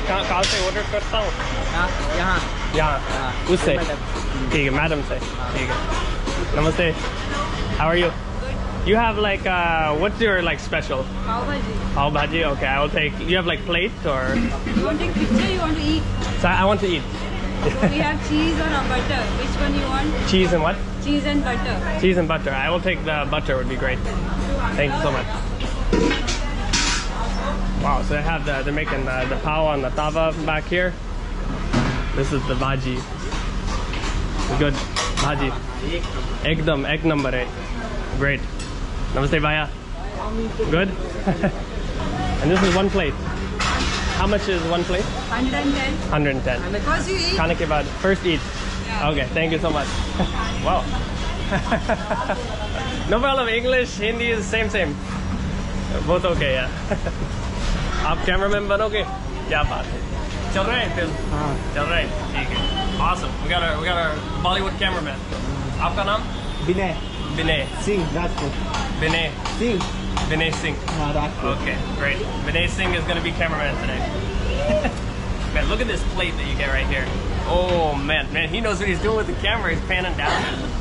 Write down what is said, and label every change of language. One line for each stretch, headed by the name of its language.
Hindi: कहां से order करता हूं? Yahan. Yahan. Usse. ठीक है, मैडम से। ठीक है। नमस्ते।
English: How are you? You have like, what's your like special?
Hindi: Pao Bhaji.
English: Pao Bhaji, okay, I will take. You have like plate or? You want to take picture, you want to eat? So I want to eat. So we have cheese or butter, which one you want? Cheese and what? Cheese and butter. Cheese and butter, I will take the butter, would be great. Thank you so much. Wow, so they have they're making the pao on the tava back here. This is the bhaji. Good, bhaji.
Hindi: Ekdam, ek number eh.
English: Great. Namaste Bhaiya. Good? And this is one plate. How much is one plate? 110. Because you eat.
Hindi: Khane ke baad.
English: First eat. Yeah. Okay, thank you so much. Wow. No problem. English, Hindi is same. Both okay, yeah.
Hindi: आप cameraman बनोगे? क्या बात है? चल रहे है film? चल रहे है।
English: Awesome. We got our Bollywood cameraman.
Hindi: Aapka naam? Binay. Binay. Singh, Rajput. Binay. Singh.
English: Vinay Singh. Okay, great. Vinay Singh is going to be cameraman today. Man, look at this plate that you get right here. Oh, man, he knows what he's doing with the camera. He's panning down.